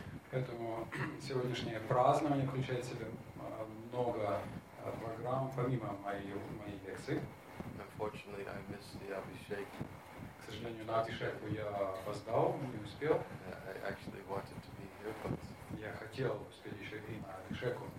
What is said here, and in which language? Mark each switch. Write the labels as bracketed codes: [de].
[ru] Поэтому сегодняшнее празднование включает в себя много программ, помимо моей лекции. [en] Unfortunately, I missed the Abhishek. [ru] К сожалению, на Абхишеку я опоздал, не успел. [en] I actually wanted to be here, but... [ru] Я хотел успеть еще и на Абхишеку.